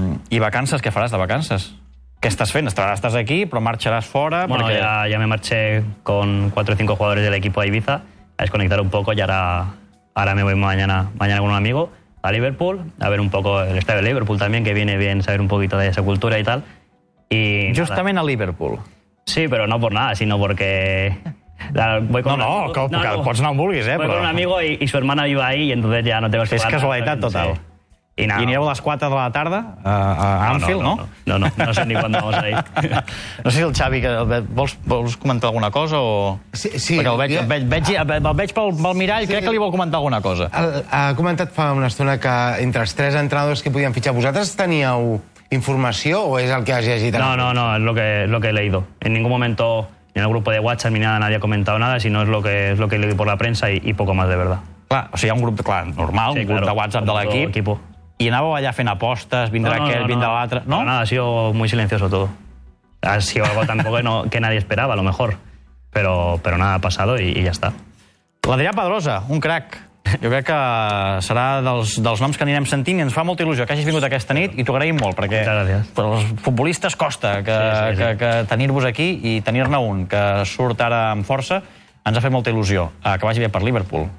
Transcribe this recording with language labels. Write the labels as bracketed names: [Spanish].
[Catalan] I vacances, què faràs de vacances? Què estàs fent? Estàs aquí, però marxaràs fora? [Spanish] Bueno, [Catalan] perquè... [Spanish] ya me marché con 4 o 5 jugadores del equipo a Ibiza a desconectar un poco y ahora me voy mañana con un amigo a Liverpool a ver un poco el estadio de Liverpool también, que viene bien saber un poquito de esa cultura y tal. Y [Catalan] justament a Liverpool. [Spanish] Sí, pero no por nada, sino porque... [Catalan] Pots anar on vulguis, [Spanish] voy con un amigo y su hermana vive ahí y entonces ya no tengo [Catalan] que... És casualitat total. Sí. I anireu a les 4 de la tarda a Anfield, no? [Spanish] No sé ni quan vamos ahí. [Catalan] No sé si el Xavi, vols comentar alguna cosa o... Sí. Perquè el veig pel mirall, sí. Crec que li vol comentar alguna cosa. Ha comentat fa una estona que entre els 3 entrenadors que podien fitxar, vosaltres teníeu informació o és el que has llegit? [Spanish] No, és lo que he leído. En ningún momento... Ni en el grupo de WhatsApp ni nada, nadie ha comentado nada, sino es lo que he leído por la prensa y poco más, de verdad. [Catalan] Clar, o sigui, hi ha un grup, clar, normal, sí, un grup, [Spanish] claro, [Catalan] de WhatsApp de l'equip. I anàveu allà fent apostes, vindrà l'altre... No, [Spanish] nada, ha sido muy silencioso todo. Ha sido algo tampoco que nadie esperaba, a lo mejor. Pero nada, ha pasado y ya está. [Catalan] L'Adrià Pedrosa, un crack. Jo crec que serà dels noms que anirem sentint i ens fa molta il·lusió que hagis vingut aquesta nit i t'ho agraïm molt, perquè per als futbolistes costa que tenir-vos aquí i tenir-ne un que surt ara amb força. Ens ha fet molta il·lusió. Que vagi bé per Liverpool.